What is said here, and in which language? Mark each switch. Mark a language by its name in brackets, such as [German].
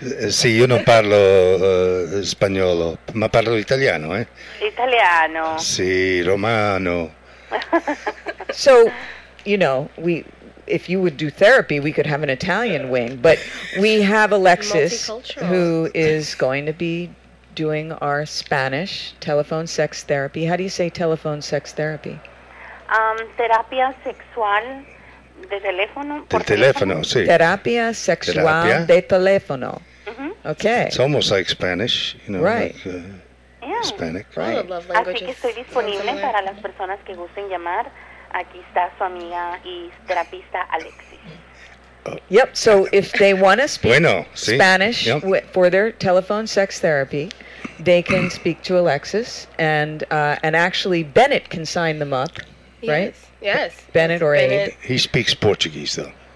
[Italian] Sí, yo no parlo español, ma parlo italiano, ¿eh? Italiano. Sí, romano. [English] So, you know, we, if you would do therapy, we could have an Italian wing. But we have Alexis, who is going to be doing our Spanish telephone sex therapy. How do you say telephone sex therapy? [Spanish] Terapia sexual de teléfono. De teléfono, sí. Terapia sexual terapia. De teléfono. Mm-hmm. [English] Okay. It's almost like Spanish, you know. Right. Like, yeah. Hispanic. Right. I love language. [Spanish] Así que estoy disponible para las personas que gusten llamar. Aquí está su amiga y terapista Alexis. [English] Yep, so if they want to speak Spanish for their telephone sex therapy, they can speak to Alexis, and actually Bennett can sign them up, right? Yes. Bennett or Abe. He speaks Portuguese, though.